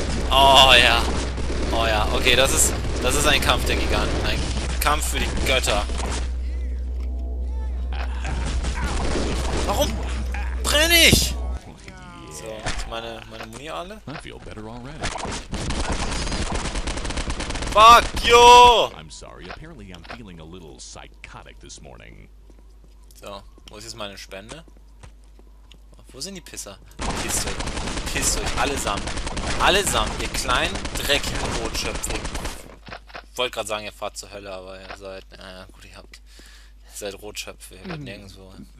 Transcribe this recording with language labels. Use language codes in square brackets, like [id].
[de] Oh ja. Oh ja. Okay, das ist ein Kampf der Giganten. Ein Kampf für die Götter. Warum brenn ich? So, jetzt meine Muni alle. [en] I feel better already. Fuck you! I'm sorry, apparently I'm feeling a little psychotic this morning. [de] So, wo ist jetzt meine Spende? Wo sind die Pisser? Pisst euch, allesamt. Allesamt, ihr kleinen dreckigen Rotschöpfe. Wollte gerade sagen, ihr fahrt zur Hölle, aber ihr seid, gut, ihr seid Rotschöpfe, ihr werdet nirgendwo.